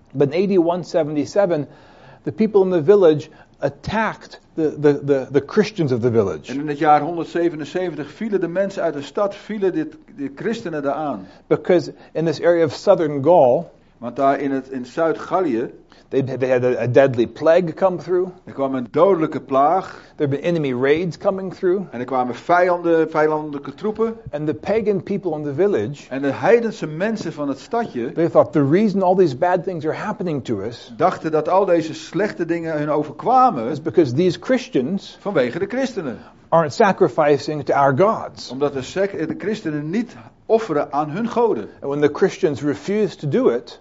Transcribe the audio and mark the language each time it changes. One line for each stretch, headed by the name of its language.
English: But in 8177, the people in the village attacked the Christians of the village.
Dutch: En in het jaar 177 vielen de mensen uit de stad, vielen de christenen eraan.
English: Because in this area of southern Gaul,
Dutch: want daar in Zuid-Gallië,
English: they had a deadly plague come through.
Dutch: Er kwam een dodelijke plaag.
English: There were enemy raids coming through.
Dutch: En er kwamen vijandelijke troepen.
English: And the pagan people in the village.
Dutch: En de heidense mensen van het stadje.
English: They thought the reason all these bad things are happening to us.
Dutch: Dachten dat al deze slechte dingen hun overkwamen.
English: Is because these Christians.
Dutch: Vanwege de christenen.
English: Aren't sacrificing to our gods.
Dutch: Omdat de christenen niet offeren aan hun goden.
English: And when the Christians refused to do it,